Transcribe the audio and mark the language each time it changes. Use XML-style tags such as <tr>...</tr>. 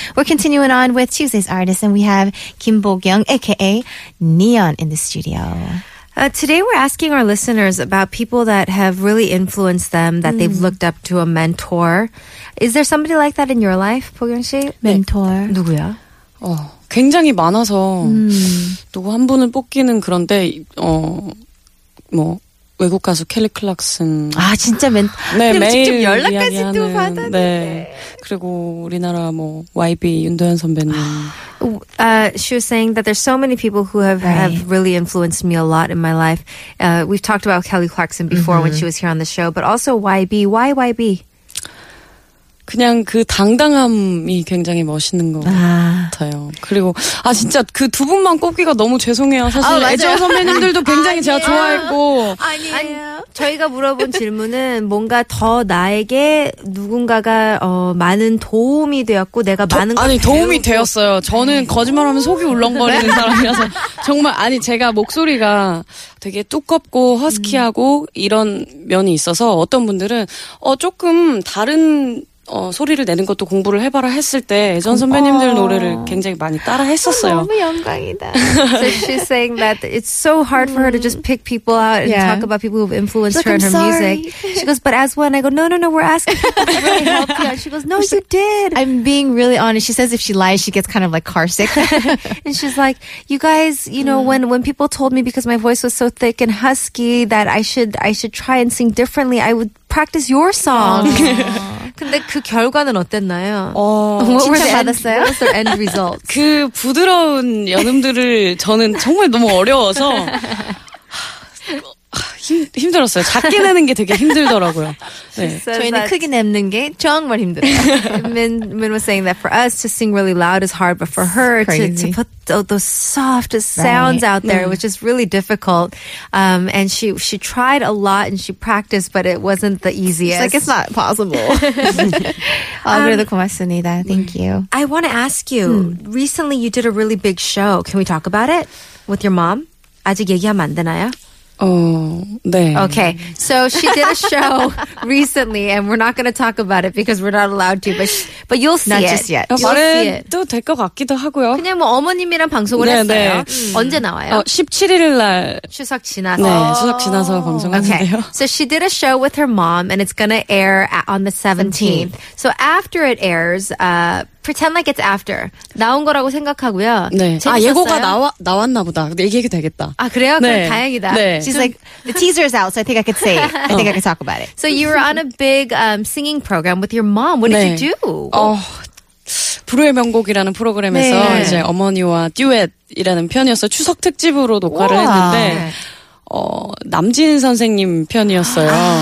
<en>We're continuing on with Tuesday's artist, and we have Kim Bo-kyung, aka Neon, in the studio. Today we're asking our listeners about people that have really influenced them, that they've looked up to, a mentor. Is there somebody like that in your life, 보경 씨?</en> <ko>네.</ko> <en>Mentor.</en> <ko>누구야? 어, 굉장히 많아서 누구 한 분을 뽑기는 그런데 어, 뭐 외국 가수 켈리 클락슨. 아, 진짜 멘토. 네, 직접 연락까지도 받았는데. 네. 그리고 우리나라 뭐 YB 윤도현 선배님.</ko> <en>She was saying that there's so many people who have really influenced me a lot in my life. We've talked about Kelly Clarkson before when she was here on the show, but also YB. Why YB?</en> <ko>그냥 그 당당함이 굉장히 멋있는 것 같아요. 그리고 아 진짜 그 두 분만 꼽기가 너무 죄송해요. 사실 애정 선배님들도 굉장히 제가 좋아했고. 아니에요. 저희가 물어본 질문은 뭔가 더 나에게 누군가가 어, 많은 도움이 되었고 내가 많은 아니 도움이 배우고. 되었어요. 저는 거짓말하면 속이 울렁거리는 사람이어서 정말 아니 제가 목소리가 되게 두껍고 허스키하고 이런 면이 있어서 어떤 분들은 어, 조금 다른 어 소리를 내는 것도 공부를 해봐라 했을 때 예전 선배님들 노래를 굉장히 많이 따라 했었어요. 너무 영광이다.</ko> <en>So she's saying that it's so hard for her to just pick people out and talk about people who've influenced like, her in her sorry. music. She goes, but as one, I go, no, we're asking. Really helped. She goes, no, you did. I'm being really honest. She says if she lies, she gets kind of like carsick. And she's like, you guys, you know, when people told me because my voice was so thick and husky that I should try and sing differently, I would practice your song.</en> <ko>근데 그 결과는 어땠나요? 어, 칭찬 받았어요?</ko> <en>What was the end result?</en> <ko>그 부드러운 연음들을 저는 정말 너무 어려워서 힘들었어요. 작게 내는 게 되게 힘들더라고요. 네. 저희는 크게 내는 게 정말 힘들어요.</ko> <en>Min was saying that for us to sing really loud is hard, but for her to put those softest sounds out there, which is really difficult. And she tried a lot and she practiced, but it wasn't the easiest. It's like it's not possible.</en> <ko>그래도 고맙습니다.</ko> <en>Thank you. I want to ask you, recently you did a really big show. Can we talk about it with your mom?</en> <ko>아직 얘기하면 안 되나요? 네.</ko> <en>Okay, so she did a show recently, and we're not going to talk about it because we're not allowed to. But but you'll see not it. Not just yet. You'll see it.</en> <ko>또 될 것 같기도 하고요. 그냥 뭐 어머님이랑 방송을 네네. 했어요. 언제 나와요? 17일 날. 추석 지나서. 네, 추석 지나서 방송하는데요.</ko> <en>Okay. So she did a show with her mom, and it's going to air on the 17th. So after it airs, pretend like it's after.</en> <ko>나온 거라고 생각하고요. 네. 아, 예고가 나왔나 보다. 근데 얘기해도 되겠다. 아, 그래요? 네. 그럼 다행이다. 네.</ko> <en>She's like, the teaser is out, so I think I could say it. I think I could talk about it. So you were on a big singing program with your mom. What did</en> <ko>네.</ko> <en>you do?</en> <ko>불후의 명곡이라는 프로그램에서 네. 이제 어머니와 듀엣이라는 편이어서 추석 특집으로 녹화를 우와. 했는데 남진 선생님 편이었어요.</ko>